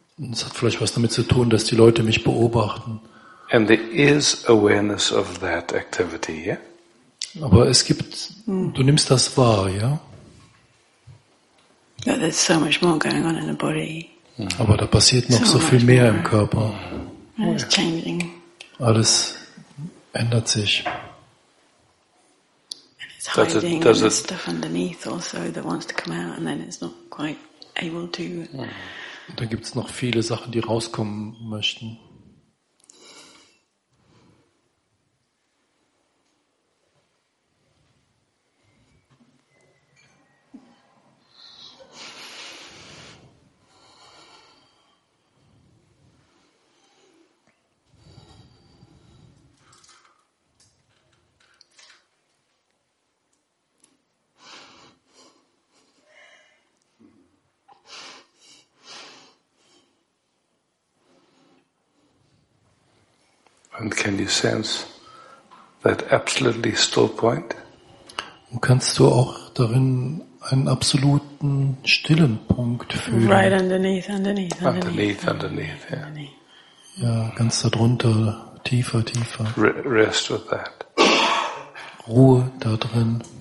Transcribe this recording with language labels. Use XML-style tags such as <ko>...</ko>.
<de>Es hat vielleicht was damit zu tun, dass die Leute mich beobachten.</de> <en>And there is awareness of that activity, yeah?</en> <de>Aber es gibt, du nimmst das wahr, ja?</de> <en>But there's so much more going on in the body.</en> <de>Aber da passiert noch so viel mehr im Körper.</de> <en>It's changing.</en> <de>Alles ändert sich.</de> <en>It's hiding, does it, does it, stuff underneath also that wants to come out and then it's not quite able to.</en> <de>Da gibt's noch viele Sachen, die rauskommen möchten.</de> <en>And can you sense that absolutely still point?</en> <de>Und kannst du auch darin einen absoluten stillen Punkt fühlen?</de> <en>Right underneath, underneath, underneath. Underneath, underneath, yeah. Underneath.</en> <de>Ja, ganz darunter, tiefer, tiefer.</de> <en>Rest with that.</en> <de>Ruhe da drin.</de>